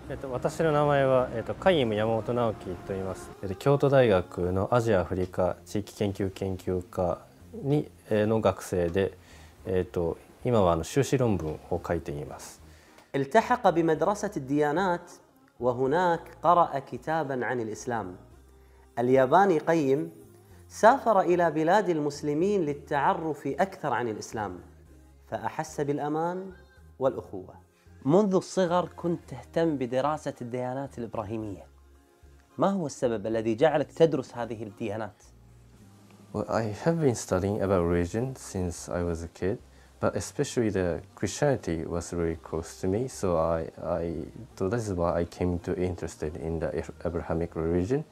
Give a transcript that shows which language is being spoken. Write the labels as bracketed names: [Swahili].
[Japanese] 私の名前は、海井山本直樹と言います。京都大学のアジアアフリカ地域研究研究科にの学生で、今は修士論文を書いています。 [Arabic] التحق بمدرسة الديانات وهناك قرأ كتابا عن الإسلام. الياباني قيم سافر إلى بلاد المسلمين للتعرف أكثر عن الإسلام، فأحس بالأمان والأخوة. منذ الصغر كنت تهتم بدراسة الديانات الإبراهيمية، ما هو السبب الذي جعلك تدرس هذه الديانات؟ [English] Well, I have been studying about religion since I was a kid, but especially the Christianity was really close to me, so so that is why I came to interested in the Abrahamic religion.